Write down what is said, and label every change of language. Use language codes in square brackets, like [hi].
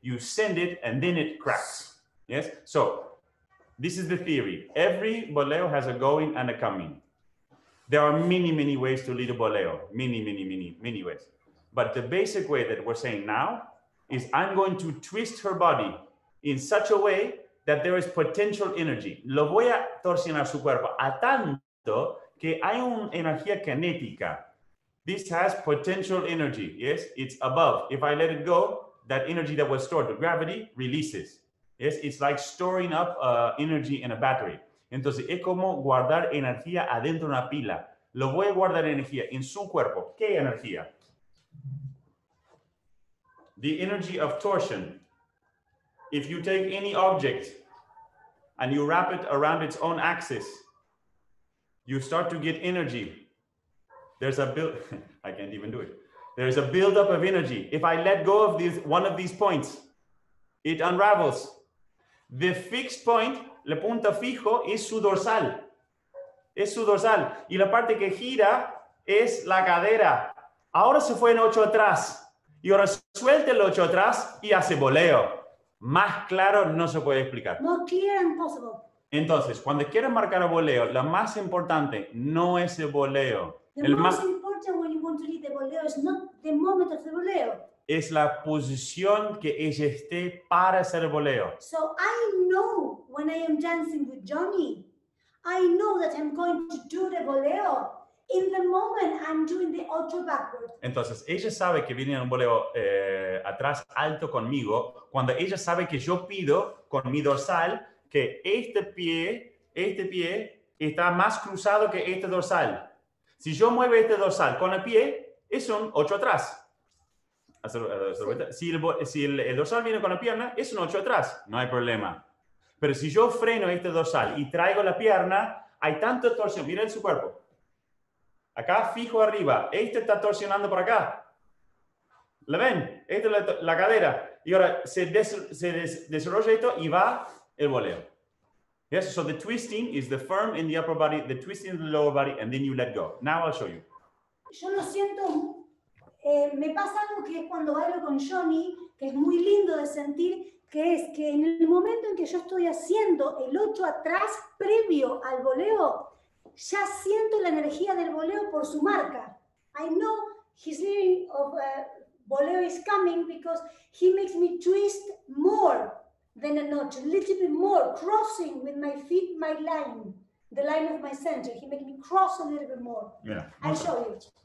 [en] You send it and then it cracks. Yes, so this is the theory. Every voleo has a going and a coming. There are many, many ways to lead a voleo. Many, many, many, many ways. But the basic way that we're saying now is I'm going to twist her body in such a way that there is potential energy. [es] Lo voy a torsionar su cuerpo a tanto que hay una energía kinética. [en] This has potential energy, yes? It's above. If I let it go, that energy that was stored, the gravity, releases. Yes, it's like storing up energy in a battery. [es] Entonces, es como guardar energía adentro de una pila. Lo voy a guardar energía en su cuerpo. ¿Qué energía? [en] The energy of torsion. If you take any object and you wrap it around its own axis, you start to get energy. There's a build... I can't even do it. There's a buildup of energy. If I let go of this one of these points, it unravels. The fixed point... [es] La punta fijo es su dorsal. Es su dorsal. Y la parte que gira es la cadera. Ahora se fue en ocho atrás. Y ahora suelta el ocho atrás y hace voleo. Más claro no se puede explicar. [en] More clear and possible. [es] Entonces, cuando quieres marcar a voleo, la más importante no es el voleo. [en] The most important when you want to lead the voleo is not the moment of the voleo. [es] Es la posición que ella esté para hacer el voleo. [en] So I know when I am dancing with Johnny, I know that I'm going to do the voleo in the moment I'm doing the otto backward. [es] Entonces, ella sabe que viene un voleo atrás alto conmigo cuando ella sabe que yo pido con mi dorsal que este pie está más cruzado que este dorsal. Si yo muevo este dorsal con el pie, es un ocho atrás. Si el dorsal viene con la pierna, es un 8 atrás, no hay problema. Pero si yo freno este dorsal y traigo la pierna, hay tanta torsión. Miren su cuerpo. Acá fijo arriba. Este está torsionando por acá. ¿La ven? Esta es la cadera. Y ahora se desarrolla esto y va el voleo. [en] Yes, so the twisting is the firm in the upper body, the twisting in the lower body, and then you let go. Now I'll show you. [es] Yo lo siento. Me pasa algo que es cuando bailo con Johnny, que es muy lindo de sentir, que es que en el momento en que yo estoy haciendo el 8 atrás previo al voleo, ya siento la energía del voleo por su marca. [en] I know his leading of voleo is coming because he makes me twist more than a notch, a little bit more, crossing with my feet my line, the line of my center. He makes me cross a little bit more. Yeah. I'll show you.